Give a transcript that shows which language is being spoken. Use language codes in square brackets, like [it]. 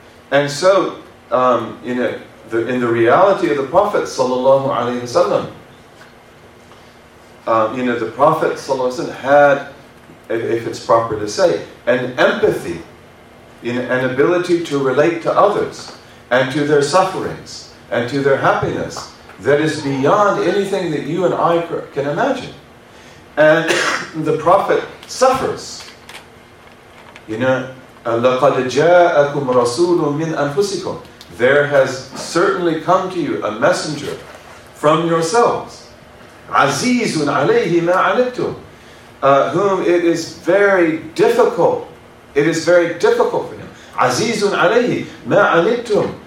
[en] And so, you know, in the reality of the Prophet sallallahu alaihi wasallam, you know, the Prophet sallallahu alaihi wasallam had, if it's proper to say, an empathy, you know, an ability to relate to others and to their sufferings and to their happiness that is beyond anything that you and I can imagine. And the Prophet suffers. [ar] You know, لَقَدْ جَاءَكُمْ رَسُولٌ مِّنْ أَنفُسِكُمْ. [en] There has certainly come to you a messenger from yourselves. [ar] عَزِيزٌ عَلَيْهِ مَا عَلِدْتُمْ. [en] Whom it is very difficult. It is very difficult for him. [ar] عَزِيزٌ عَلَيْهِ مَا عَلِدْتُمْ.